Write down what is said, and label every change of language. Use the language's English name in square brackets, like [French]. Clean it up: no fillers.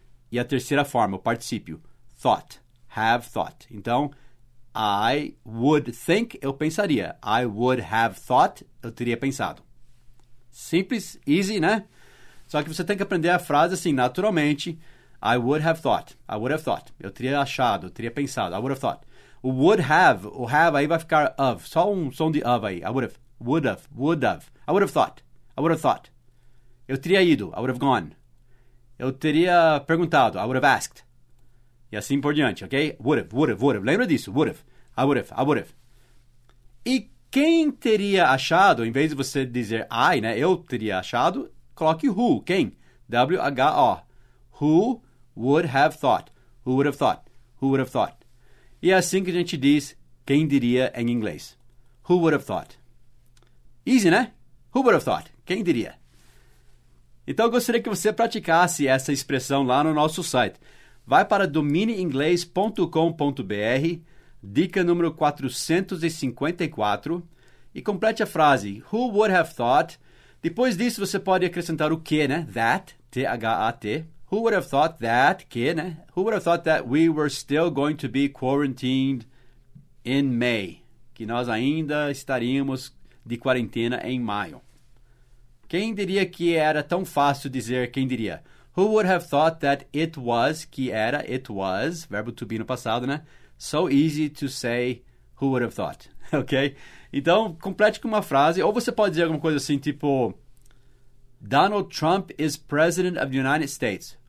[Portuguese] E a terceira forma, o particípio, thought, [English] have thought. [Portuguese] Então, [English] I would think, [Portuguese] eu pensaria. [English] I would have thought, [Portuguese] eu teria pensado. Simples, [English] easy, [Portuguese] né? Só que você tem que aprender a frase assim, naturalmente. [English] I would have thought, I would have thought. [Portuguese] Eu teria achado, eu teria pensado, [English] I would have thought. [Portuguese] O have aí vai ficar of, só um som de of aí. [English] I would have, I would have thought, I would have thought. [Portuguese] Eu teria ido, [English] I would have gone. [Portuguese] Eu teria perguntado, [English] I would have asked. [Portuguese] E assim por diante, [English] ok? Would have, would have. [Portuguese] Lembra disso, [English] would have. I would have, I would have. [Portuguese] E quem teria achado, em vez de você dizer I, né? Eu teria achado, coloque who, quem? W-H-O. [English] Who would have thought? Who would have thought? Who would have thought? [Portuguese] E é assim que a gente diz, quem diria em inglês? [English] Who would have thought? Easy, né? Who would have thought? [Portuguese] Quem diria? Então, eu gostaria que você praticasse essa expressão lá no nosso site. Vai para dominioinglês.com.br, dica número 454, e complete a frase, [English] who would have thought? [Portuguese] Depois disso, você pode acrescentar o que, né? [English] That, T-H-A-T. Who would have thought that, [Portuguese] que, né? [English] Who would have thought that we were still going to be quarantined in May? [Portuguese] Que nós ainda estaríamos de quarentena em maio. Quem diria que era tão fácil dizer, quem diria? [English] Who would have thought that it was, [Portuguese] que era, [English] it was, [Portuguese] verbo to be no passado, né? [English] So easy to say, who would have thought, [Portuguese] ok? Então, complete com uma frase, ou você pode dizer alguma coisa assim, tipo, [English] Donald Trump is president of the United States.